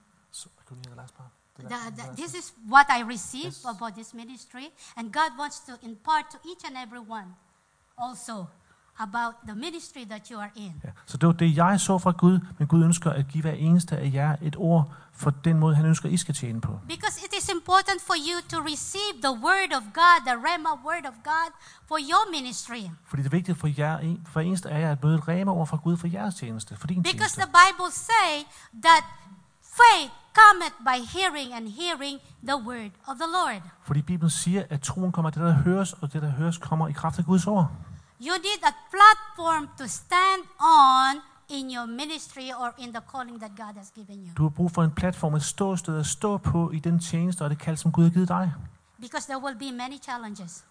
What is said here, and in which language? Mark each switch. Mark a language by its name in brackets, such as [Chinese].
[English] So I couldn't hear the last part. This is what I received about this ministry, and God wants to impart to each and every one also about the ministry that you are in. [Danish] Ja, så det var det, jeg så fra Gud, men Gud ønsker at give hver eneste af jer et ord for den måde, han ønsker, I skal tjene på. [English] Because it is important for you to receive the word of God, the rhema word of God for your ministry. [Danish] Fordi det er vigtigt for jer, for eneste af jer at møde et rhema ord fra Gud for jeres tjeneste, for din tjeneste. [English] Because the Bible say that faith cometh by hearing and hearing the word of the Lord. [Danish] Fordi Bibelen siger, at troen kommer af det, der høres, og det, der høres, kommer i kraft af Guds ord. [English] You need a platform to stand on in your ministry or in the calling that God has given you. [Danish] Du har brug for en platform, et ståsted at stå på i den tjeneste og det kald, som Gud har givet dig. [English] Because there will be many challenges.